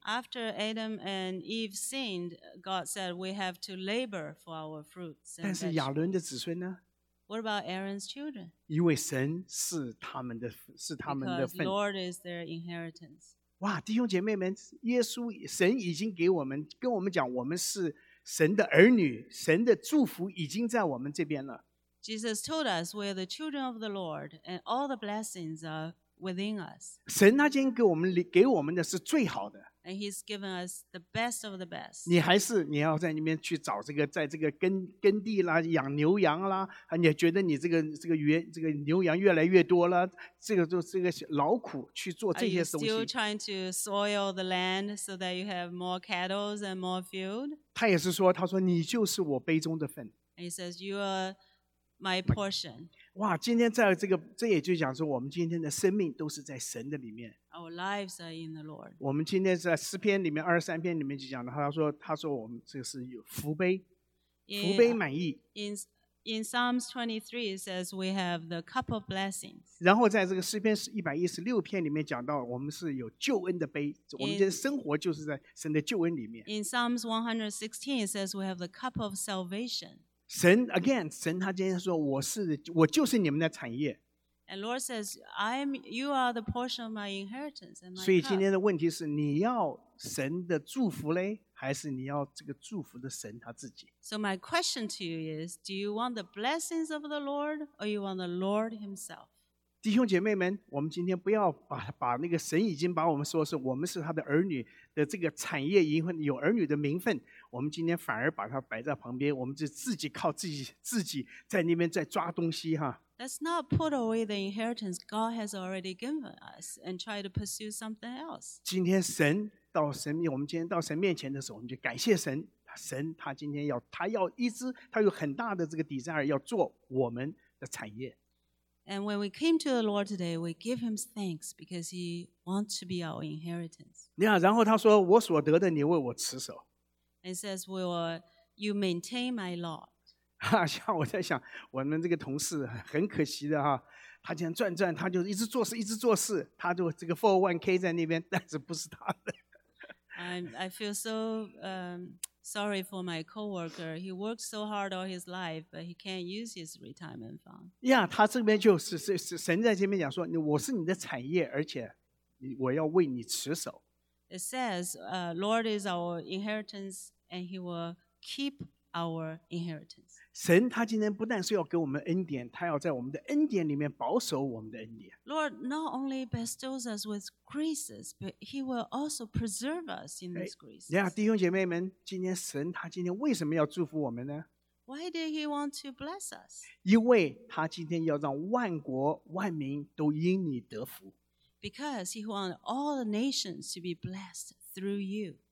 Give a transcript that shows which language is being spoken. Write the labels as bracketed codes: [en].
[en] After Adam and Eve sinned, God said we have to labor for our fruits. [zh] 但是亚伦的子孙呢 [en] ？What about Aaron's children? [zh] 因为神是他们的份。 [en] Because Lord is their inheritance. [zh] 哇，弟兄姐妹们，耶稣神已经给我们跟我们讲，我们是神的儿女，神的祝福已经在我们这边了。 [en] Jesus told us we are the children of the Lord and all the blessings are within us. [zh] 神他今天给我们的是最好的。 [en] And he's given us the best of the best. [zh] 你要在那边去找这个在这个 耕地啦养牛羊啦你觉得你这个牛羊越来越多了这个劳苦去做这些东西。 [en] Are you still trying to soil the land so that you have more cattle and more field? [zh] 他也是说他说你就是我杯中的份。 [en] And he says you are... My portion. [zh] 哇，今天在这个，这也就讲说，我们今天的生命都是在神的里面。 [en] Our lives are in the Lord. [zh] 我们今天在诗篇里面二十三篇里面就讲了，他说我们这是有福杯， yeah, 福杯满溢。 [en] In Psalms 23 it says we have the cup of blessings. [zh] 然后在这个诗篇116篇里面讲到我们是有救恩的杯 in, 我们今天生活就是在神的救恩里面。 [en] In Psalms 116 it says we have the cup of salvation. [zh] 神 again 神他今天说我就是你们的产业 [en] and Lord says I'm you are the portion of my inheritance and my [zh] 所以今天的问题是你要神的祝福嘞还是你要这个祝福的神他自己 [en] so my question to you is do you want the blessings of the Lord or you want the Lord himself [zh] 弟兄姐妹们我们今天不要 把那个神已经把我们说是我们是他的儿女的这个产业有儿女的名分我们今天反而把它摆在旁边我们就自己靠自己在那边在抓东西哈。 [en] Let's not put away the inheritance God has already given us and try to pursue something else. [zh] 今天神到神我们今天到神面前的时候我们就感谢神神他今天要他要一直他有很大的这个desire要做我们的产业。 [en] And when we came to the Lord today, we give him thanks because he wants to be our inheritance. [zh] 你看然后他说我所得的你为我持守。 [en] And says, well, you maintain my lot. [zh] 像我在想我们这个同事很可惜的哈他竟然转他就一直做事他就这个 401k 在那边但是不是他的。 [en] I feel so sorry for my coworker. He worked so hard all his life, but he can't use his retirement fund. [zh] Yeah, 他这边就是神在这边讲说，我是你的产业，而且我要为你持守。 [en] It says, Lord is our inheritance, and He will keep our inheritance. [zh] 神他今天不但是要给我们恩典，他要在我们的恩典里面保守我们的恩典。 [en] Lord not only bestows us with graces, but He will also preserve us in these graces. [zh] 哎呀，弟兄姐妹们，今天神他今天为什么要祝福我们呢？ [en] Why did He want to bless us? [zh] 因为他今天要让万国万民都因你得福。 [en] Because he wants all the nations to be blessed through you.